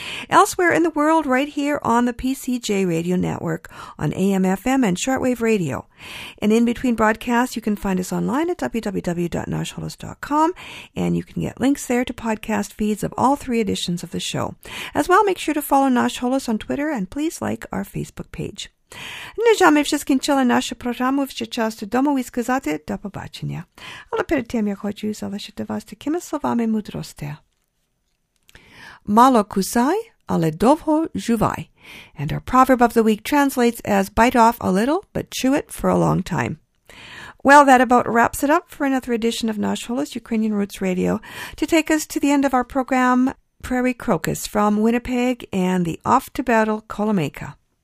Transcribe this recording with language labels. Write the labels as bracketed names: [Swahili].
[English] Elsewhere in the world, right here on the PCJ Radio Network on AM, FM, and shortwave radio. And in between broadcasts, you can find us online at www.nashholos.com, and you can get links there to podcast feeds of all three editions of the show. As well, make sure to follow Nash Holos on Twitter, and please like our Facebook page. [Ukrainian] Нажами все скінчили нашу програму, вже час додому і сказати до побачення. Але перед тим я хочу залишити вас такими словами мудрості. Мало кусай, але довго жувай. [English] And our proverb of the week translates as bite off a little, but chew it for a long time. Well, that about wraps it up for another edition of Nash Holos Ukrainian Roots Radio. To take us to the end of our program, Prairie Crocus from Winnipeg and the off-to-battle Kolomeyka.